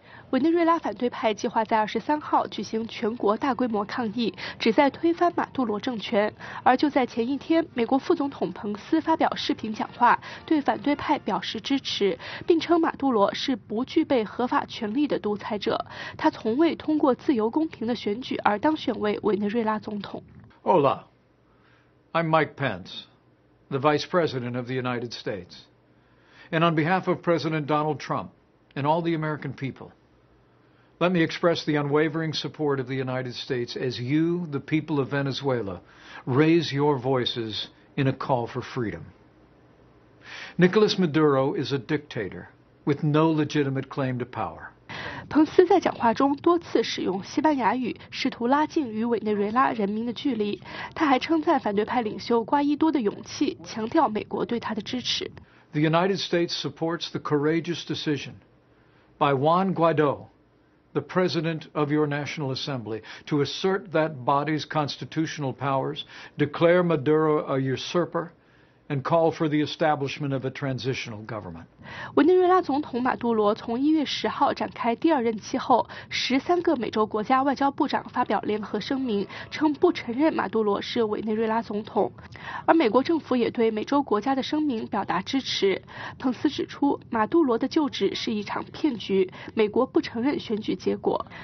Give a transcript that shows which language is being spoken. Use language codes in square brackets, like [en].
[zh] 委内瑞拉反对派计划在23号举行全国大规模抗议，旨在推翻马杜罗政权。而就在前一天，美国副总统彭斯发表视频讲话，对反对派表示支持，并称马杜罗是不具备合法权力的独裁者，他从未通过自由公平的选举而当选为委内瑞拉总统。 [en] Hola, I'm Mike Pence, the Vice President of the United States, and on behalf of President Donald Trump and all the American people. Let me express the unwavering support of the United States as you, the people of Venezuela, raise your voices in a call for freedom. Nicolas Maduro is a dictator with no legitimate claim to power. [zh] 彭斯在讲话中多次使用西班牙语，试图拉近与委内瑞拉人民的距离。他还称赞反对派领袖瓜伊多的勇气，强调美国对他的支持。 [en] The United States supports the courageous decision by Juan Guaido. The President of your National Assembly to assert that body's constitutional powers, declare Maduro a usurper. And call for the establishment of a transitional government. [zh] 委内瑞拉总统马杜罗从1月10号展开第二任期后，13个美洲国家外交部长发表联合声明，称不承认马杜罗是委内瑞拉总统。而美国政府也对美洲国家的声明表达支持。彭斯指出，马杜罗的就职是一场骗局，美国不承认选举结果。